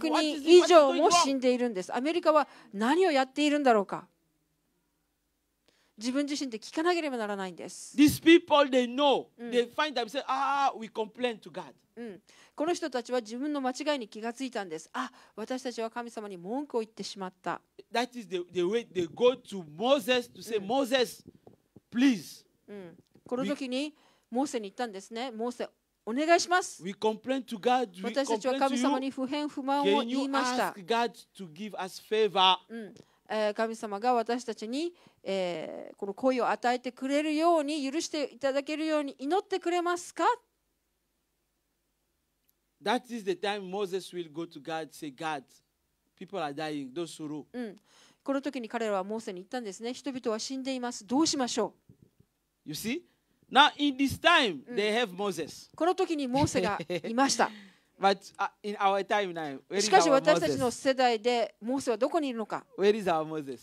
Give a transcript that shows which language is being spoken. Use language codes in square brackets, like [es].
[ja] 700人以上も死んでいるんです。アメリカは何をやっているんだろうか。自分自身で聞かなければならないんです。 [en] These people, they know. They find themselves, we complain to God. [ja] この人たちは自分の間違いに気がついたんです。あ、私たちは神様に文句を言ってしまった。 [en] That is the way they go to Moses to say, Moses, please. [ja] この時に、モーセに言ったんですね。モーセ、お願いします。 [en] We complain to God. [ja] 私たちは神様に不平不満を言いました。 [en] Can you ask God to give us favor? [ja] 神様が私たちに、この恋を与えてくれるように許していただけるように祈ってくれますか? [en] That is the time Moses will go to God, say, God, people are dying, those who rule. [ja] この時に彼らはモーセに言ったんですね。人々は死んでいます。どうしましょう。 [en] You see? Now in this time they have Moses. [ja] この時にモーセがいました。 [en] But in our time now, where [ja] しかし私たちの世代でモーセはどこにいるのか。 [en] Where is our Moses?